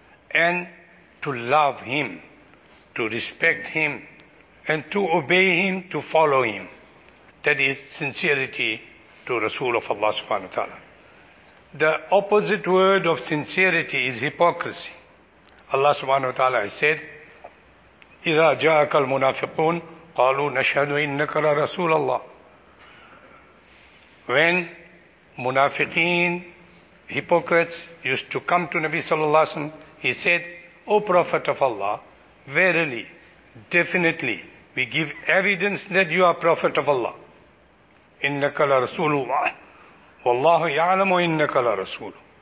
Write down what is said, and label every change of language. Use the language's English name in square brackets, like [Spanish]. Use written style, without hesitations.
[English] And to love him, to respect him, and to obey him, to follow him. That is sincerity to Rasul of Allah subhanahu wa ta'ala. The opposite word of sincerity is hypocrisy. Allah subhanahu wa ta'ala has said, [Arabic] إِذَا جَاءَكَ الْمُنَافِقُونَ قَالُوا نَشْهَدُ إِنَّكَ لَرَسُولَ اللَّهِ. [English] When munafiqeen, hypocrites, used to come to Nabi sallallahu alayhi wa sallam, he said, O Prophet of Allah, verily, definitely, we give evidence that you are Prophet of Allah. [Arabic] إِنَّكَ لَرَسُولُ اللَّهِ وَاللَّهُ يَعْلَمُ إِنَّكَ لَرَسُولُ.